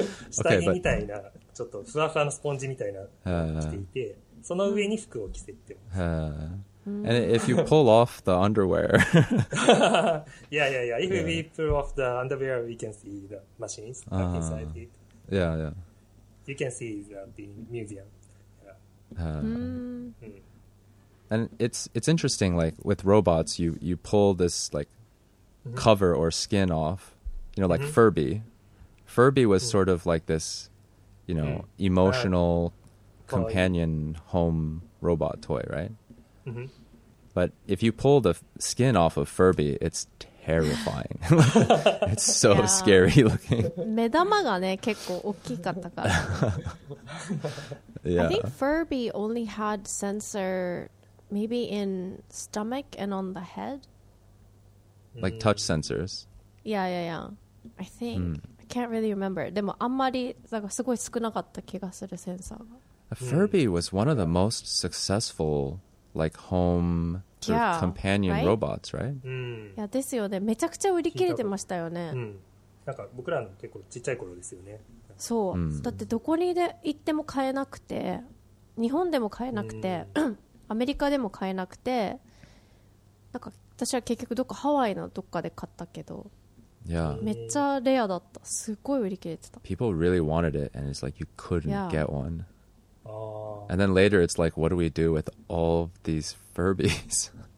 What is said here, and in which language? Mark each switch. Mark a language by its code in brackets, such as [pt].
[ja] 下着みたいな、ちょっとふわふわのスポンジみたいな着ていて、その上に服を着せて。 [en] And if you pull off the underwear. Yeah. If we pull off the underwear, we can see the machines inside it. Yeah, yeah. You can see the museum. Yeah. And it's interesting, like with robots, you pull this like cover or skin off, you know, like Furby. Furby was sort of like this, you know, emotional companion home robot toy, right? But if you pull the skin off of Furby, it's terrifying. It's so scary looking. [ja] 目玉がね、結構大きかったから。 [en] Yeah. I think Furby only had sensor maybe in stomach and on the head. Like touch sensors. Yeah. I think. I can't really remember. [ja] でもあんまりなんかすごい少なかった気がするセンサーが。 [en] A Furby was one of the most successful like home companion robots, right? [ja] Yeah, ですよね。めちゃくちゃ売り切れてましたよね。なんか僕らの結構ちっちゃい頃ですよね。そう。だってどこにで行っても買えなくて、日本でも買えなくて、アメリカでも買えなくて、なんか私は結局どこかハワイのどっかで買ったけど、めっちゃレアだった。すごい売り切れてた。 [en] People really wanted it, and it's like you couldn't get one. And then later, it's like, what do we do with all of these Furbies?